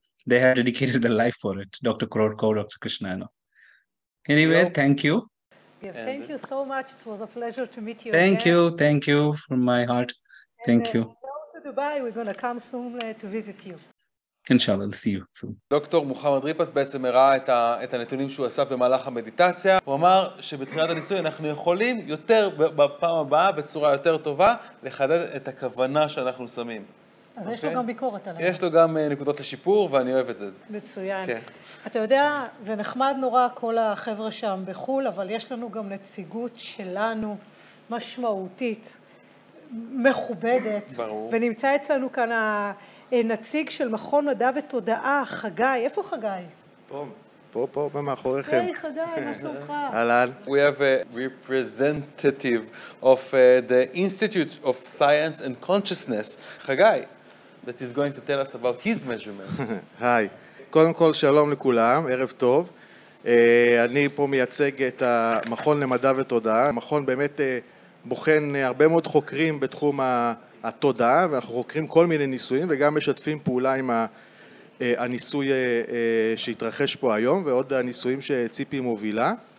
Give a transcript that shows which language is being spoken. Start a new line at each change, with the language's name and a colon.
English: They have dedicated their life for it, Dr. Korotkov, Dr. Krishna. Anyway, thank you. Yeah, thank you so much. It was a pleasure to meet you. Thank you from my heart. Thank you. Go to Dubai. We're going to come soon to visit you. Inshallah, see you soon. Dr.
Hebrew: Muhammad Ripas בעצם הראה את הנתונים שהוא עשה במהלך המדיטציה. הוא אמר שבתחילת הניסוי אנחנו יכולים יותר בפעם הבאה, בצורה יותר טובה, לחדד את הכוונה שאנחנו שמים. אז יש לו גם ביקורת עליו. יש לו גם נקודות לשיפור, ואני אוהב את זה. מצוין. אתה יודע, זה נחמד נורא כל החבר'ה שם בחול, אבל יש לנו גם נציגות שלנו משמעותית, מכובדת. ברור. ונמצא אצלנו כאן נציג של מכון מדע ותודעה, חגי. איפה חגי? פה, במאחוריכם. היי, חגי, מה שלומך? אהלן.
English: We have a representative of the Institute of Science and Consciousness, חגי, that is going to tell us about his measurements.
Hebrew: היי. קודם כל, שלום לכולם, ערב טוב. אני פה מייצג את המכון למדע ותודעה. המכון באמת בוחן הרבה מאוד חוקרים בתחום התודעה, ואנחנו חוקרים כל מיני ניסויים וגם משתפים פעולה עם הניסוי שהתרחש פה היום ועוד הניסויים שציפי מובילה.